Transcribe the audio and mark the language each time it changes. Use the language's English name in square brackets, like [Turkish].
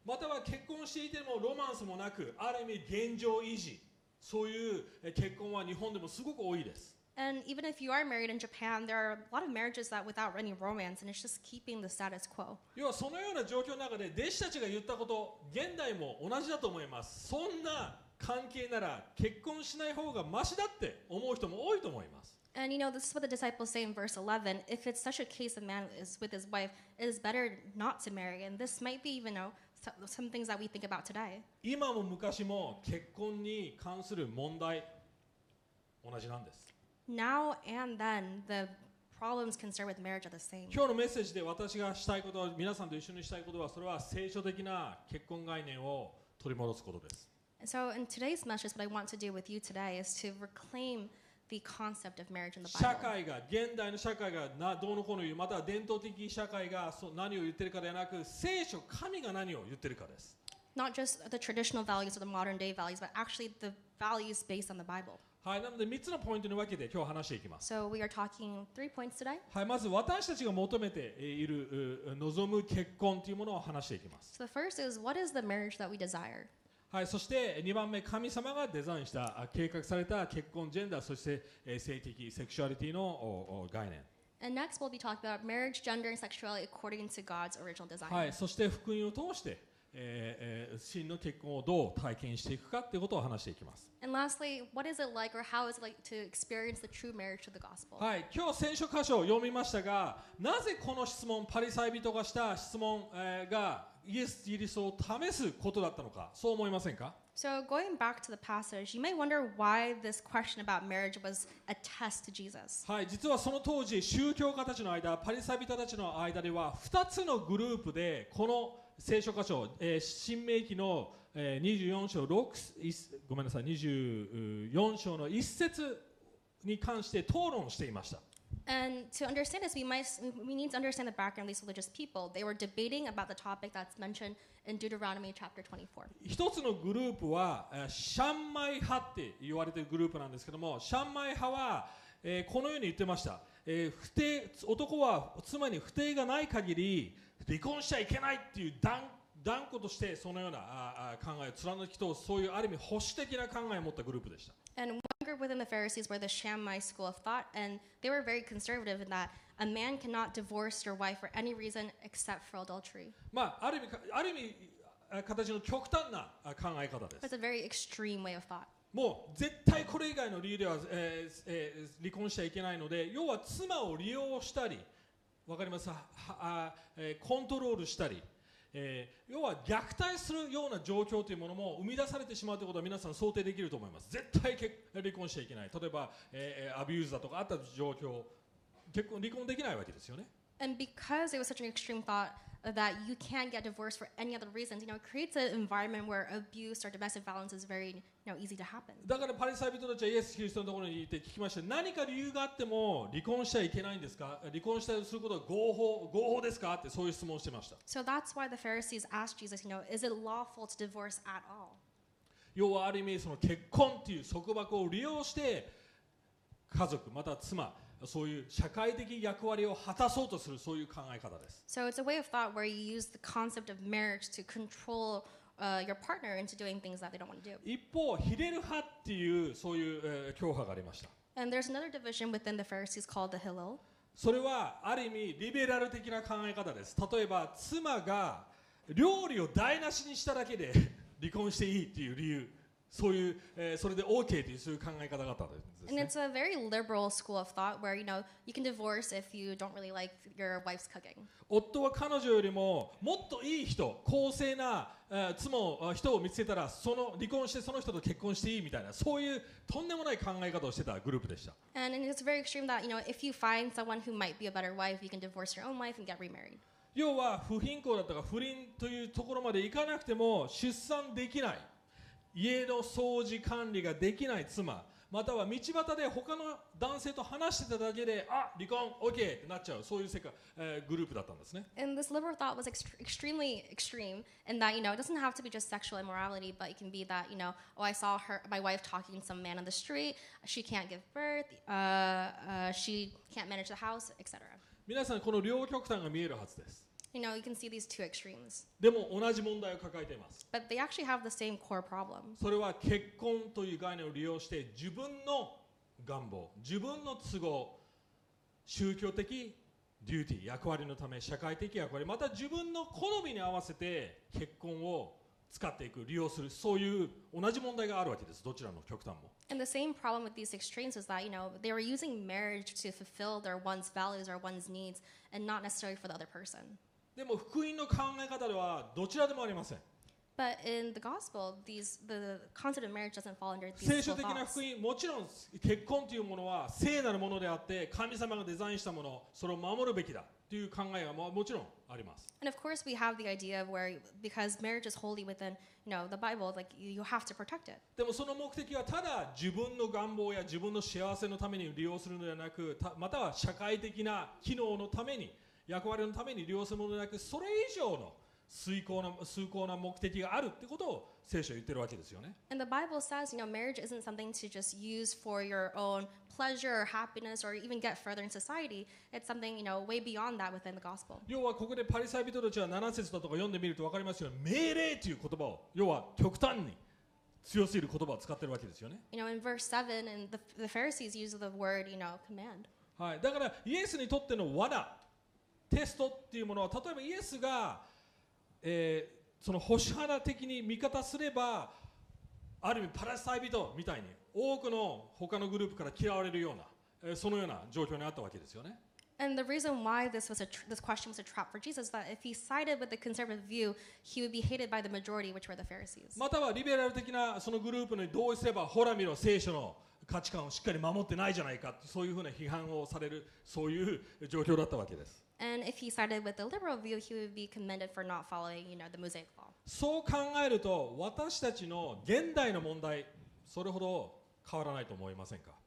[Japanese] または結婚していてもロマンスもなく、ある意味現状維持、そういう結婚は日本でもすごく多いです。 [English] And even if you are married in Japan, there are a lot of marriages that without any romance, and it's just keeping the status quo. [Japanese] 要はそのような状況の中で弟子たちが言ったこと、現代も同じだと思います。そんな関係なら結婚しない方がマシだって思う人も多いと思います。 [English] And you know, this is what the disciples say in verse 11. If it's such a case a man is with his wife, it is better not to marry. And this might be, you know, some things that we think about today. [Japanese] 今も昔も結婚に関する問題同じなんです。 [English] Now and then, the problems concerned with marriage are the same. [Japanese] 今日のメッセージで私がしたいこと、皆さんと一緒にしたいことは、それは聖書的な結婚概念を取り戻すことです。 [English] So in today's message, what I want to do with you today is to reclaim the concept of marriage in the Bible. [Japanese] 社会が、現代の社会がどうのこうの言う、または伝統的社会が何を言ってるかではなく、聖書、神が何を言ってるかです。 [English] Not just the traditional values or the modern day values, but actually the values based on the Bible. [Japanese] はい、なので3つのポイントに分けて今日話していきます。 [English] So we are talking three points today. [Japanese] はい、まず私たちが求めている、望む結婚というものを話していきます。 [English] So the first is, what is the marriage that we desire? [Japanese] はい、そして2番目、神様がデザインした計画された結婚ジェンダー、そして性的セクシュアリティの概念。 [English] And next we'll be talking about marriage, gender, and sexuality according to God's original design. [Japanese] はい、そして福音を通して、真の結婚をどう体験していくかということを話していきます。 [English] And lastly, what is it like or how is it like to experience the true marriage to the gospel? [Japanese] はい、今日聖書箇所を読みましたが、なぜこの質問、パリサイ人がした質問、がイエス・キリストを試すことだったのか、そう思いませんか？ [English] So going back to the passage, you may wonder why this question about marriage was a test to Jesus. [Japanese] はい、実はその当時、宗教家たちの間、パリサイ人たちの間では、2つのグループで、この聖書箇所、新命記の、24章の1節に関して討論していました。 [English] And to understand this, we need to understand the background of these religious people. They were debating about the topic that's mentioned in Deuteronomy chapter 24. [Japanese] 一つのグループは、シャンマイ派って言われているグループなんですけども、シャンマイ派は、このように言ってました。不定、男は妻に不定がない限り離婚しちゃいけないっていう 断固としてそのような考え、貫き通す、そういうある意味保守的な考えを持ったグループでした。 [English] And one group within the Pharisees were the Shammai school of thought, and they were very conservative in that a man cannot divorce your wife for any reason except for adultery. [Japanese] まあ、ある意味形の極端な考え方です。 [English] It's a very extreme way of thought. [Japanese] もう絶対これ以外の理由では、離婚しちゃいけないので、要は妻を利用したり、わかりますか、コントロールしたり、要は虐待するような状況というものも生み出されてしまうということは皆さん想定できると思います。絶対離婚しちゃいけない。例えば、アビューズだとかあった状況、結婚離婚できないわけですよね。 [English] And because it was such an extreme thought that you can't get divorced for any other reasons, you know, it creates an environment where abuse or domestic violence is very, you know, easy to happen. [Japanese] だからパリサイ人たちはイエス・キリストのところに行って聞きました。何か理由があっても離婚しちゃいけないんですか？離婚したりすることは合法ですか？ってそういう質問をしてました。 [English] So that's why the Pharisees asked Jesus, you know, is it lawful to divorce at all? [Japanese] 要はある意味その結婚っていう束縛を利用して家族または妻そういう社会的役割を果たそうとするそういう考え方です。 [English] So it's a way of thought where you use the concept of marriage to control your partner into doing things that they don't want to do. [Japanese] 一方、ヒレル派っていうそういう、教派がありました。 [English] And there's another division within the Pharisees called the Hillel. [Japanese] それはある意味リベラル的な考え方です。例えば妻が料理を台無しにしただけで離婚していいっていう理由。そういう、それで OK というそういう考え方があったんですね。 [English] And it's a very liberal school of thought where, you know, you can divorce if you don't really like your wife's cooking. [Japanese] 夫は彼女よりももっといい人、公正な、妻を、人を見つけたら、その離婚してその人と結婚していいみたいな、そういうとんでもない考え方をしてたグループでした。 [English] And it's very extreme that, you know, if you find someone who might be a better wife, you can divorce your own wife and get remarried. [Japanese] 要は不貧困だったか不倫というところまで行かなくても出産できない。家の掃除管理ができない妻、または道端で他の男性と話してただけで、あ、離婚、OK ってなっちゃう、そういう世界、グループだったんですね。 [English] And this liberal thought was extremely extreme in that, you know, it doesn't have to be just sexual immorality, but it can be that, you know, oh, I saw her, my wife talking to some man on the street, she can't give birth, she can't manage the house, etc. [Japanese] 皆さん、この両極端が見えるはずです。 [English] You know, you can see these two extremes. [Japanese] でも同じ問題を抱えています。 [English] But they actually have the same core problem. [Japanese] それは結婚という概念を利用して自分の願望、自分の都合、宗教的デューティー、役割のため、社会的役割、また自分の好みに合わせて結婚を使っていく、利用する、そういう同じ問題があるわけです。どちらの極端も。 [English] And the same problem with these extremes is that, you know, they were using marriage to fulfill their one's values or one's needs and not necessarily for the other person. [Japanese] でも福音の考え方ではどちらでもありません。 [English] But in the gospel, the concept of marriage doesn't fall under these. [Japanese] 聖書的な福音、もちろん結婚というものは聖なるものであって、神様がデザインしたもの、それを守るべきだという考えはもちろんあります。 [English] And of course, we have the idea of where because marriage is holy within, you know, the Bible, like you have to protect it. [Japanese] でもその目的はただ自分の願望や自分の幸せのために利用するのではなく、または社会的な機能のために。役割のために利用するものでなく、それ以上の崇高な目的があるってことを聖書は言ってるわけですよね。 [English] And the Bible says, you know, marriage isn't something to just use for your own pleasure or happiness or even get further in society. It's something, you know, way beyond that within the gospel. [Japanese] 要はここでパリサイ人たちは7節だとか読んでみると分かりますよね。命令という言葉を、要は極端に強すぎる言葉を使ってるわけですよね。 [English] You know, in verse 7, and the Pharisees use the word, you know, command. はい。 [Japanese] だからイエスにとっての罠。テストっていうものは、例えばイエスが、その保守派的に味方すれば、ある意味パラサイ人みたいに多くの他のグループから嫌われるような、そのような状況にあったわけですよね。 [English] And the reason why this question was a trap for Jesus is that if he sided with the conservative view, he would be hated by the majority, which were the Pharisees. [Japanese] またはリベラル的なそのグループに同意すれば、ほら見ろ聖書の価値観をしっかり守ってないじゃないか、そういうふうな批判をされるそういう状況だったわけです。 [English] And if he sided with the liberal view, he would be commended for not following, you know, the Mosaic law. [Japanese] そう考えると、私たちの現代の問題、それほど変わらないと思いませんか？